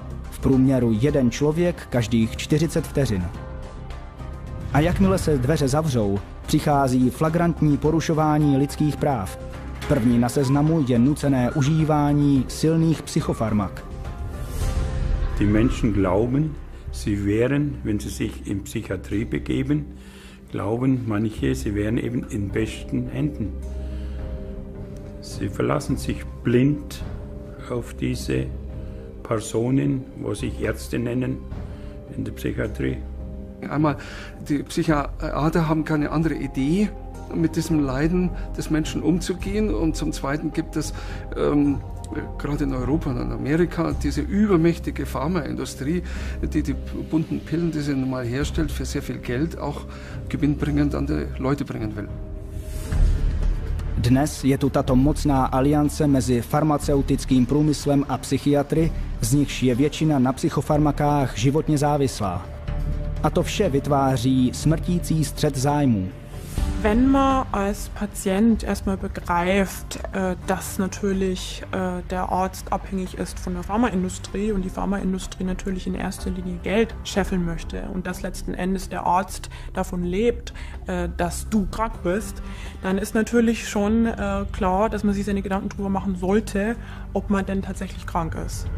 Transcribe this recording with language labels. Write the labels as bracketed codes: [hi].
[cs] V průměru jeden člověk každých 40 vteřin. A jakmile se dveře zavřou, přichází flagrantní porušování lidských práv. První na seznamu je nucené užívání silných psychofarmak. [de] Die Menschen glauben, sie wären, wenn sie sich in Psychiatrie begeben, glauben manche, sie wären eben in besten Händen. Sie verlassen sich blind auf diese Personen, wo sich Ärzte nennen in der Psychiatrie. Einmal, die Psychiater haben keine andere Idee, mit diesem Leiden des Menschen umzugehen. Und zum Zweiten gibt es gerade in Europa und in Amerika diese übermächtige Pharmaindustrie, die die bunten Pillen, die sie nun mal herstellt, für sehr viel Geld auch gewinnbringend an die Leute bringen will. [cs] Dnes je tu tato mocná aliance mezi farmaceutickým průmyslem a psychiatry, z nichž je většina na psychofarmakách životně závislá. A to vše vytváří smrtící střet zájmů. [de] Wenn man als Patient erstmal begreift, dass natürlich der Arzt abhängig ist von der Pharmaindustrie und die Pharmaindustrie natürlich in erster Linie Geld scheffeln möchte und dass letzten Endes der Arzt davon lebt, dass du krank bist, dann ist natürlich schon klar, dass man sich seine Gedanken darüber machen sollte, ob man denn tatsächlich krank ist.